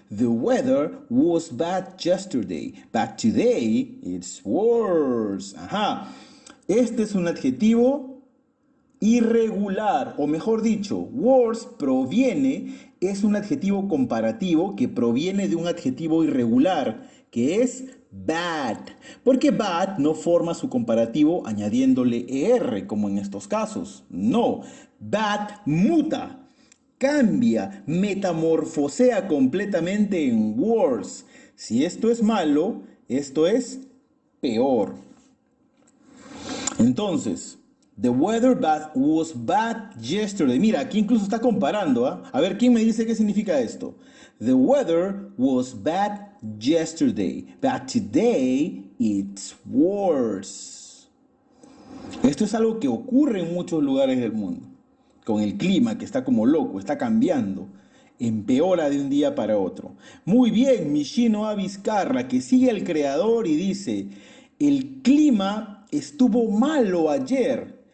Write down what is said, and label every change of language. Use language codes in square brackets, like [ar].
[en] The weather was bad yesterday, but today it's worse. [es] Ajá. Este es un adjetivo irregular, o mejor dicho, worse proviene. Es un adjetivo comparativo que proviene de un adjetivo irregular, que es bad. Porque bad no forma su comparativo añadiéndole er, como en estos casos. No, bad muta, cambia, metamorfosea completamente en worse. Si esto es malo, esto es peor. Entonces, [en] the weather was bad yesterday. [es] Mira, aquí incluso está comparando, ¿eh? A ver, ¿quién me dice qué significa esto? [en] The weather was bad yesterday, but today it's worse. [es] Esto es algo que ocurre en muchos lugares del mundo, con el clima que está como loco, está cambiando, empeora de un día para otro. Muy bien, Michino Abizcarra, que sigue el creador y dice, el clima estuvo malo ayer.